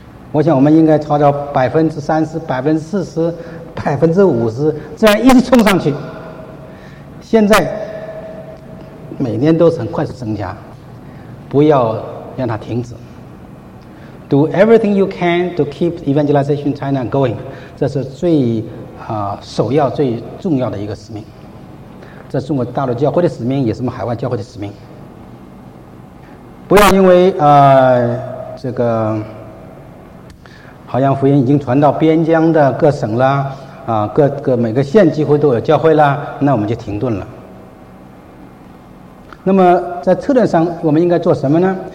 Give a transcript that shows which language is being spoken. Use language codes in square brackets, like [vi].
[zh] 我想我们应该朝着30%、40%、50%这样一直冲上去。现在每年都很快速增加，不要让它停止。 [en] Do everything you can to keep evangelization China going， [zh] 这是最首要最重要的一个使命。这是中国大陆教会的使命，也是我们海外教会的使命。不要因为这个好像福音已经传到边疆的各省了，各每个县几乎都有教会了，那我们就停顿了。那么在策略上我们应该做什么呢？